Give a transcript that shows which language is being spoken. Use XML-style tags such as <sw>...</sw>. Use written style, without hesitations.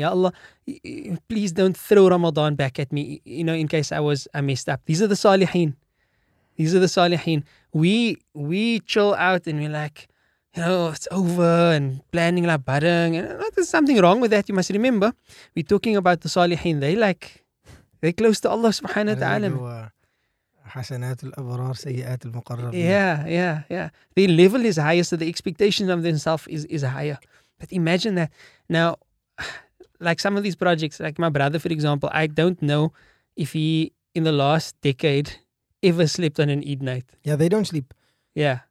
<en>Ya Allah, please don't throw Ramadan back at me, you know, in case I messed up. These are the salihin. These are the salihin. We chill out and we're like, you know, it's over and planning like badang. There's something wrong with that. You must remember, we're talking about the salihin. They're close to Allah subhanahu wa ta'ala.</en> <ar>حسنات الأبرار سيئات المقررين.</ar> <en>Yeah, yeah, yeah. The level is higher, so the expectation of themselves is higher. But imagine that. Now, like some of these projects, like my brother, for example, I don't know if he, in the last decade, ever slept on an Eid night. Yeah, they don't sleep. Yeah.</en>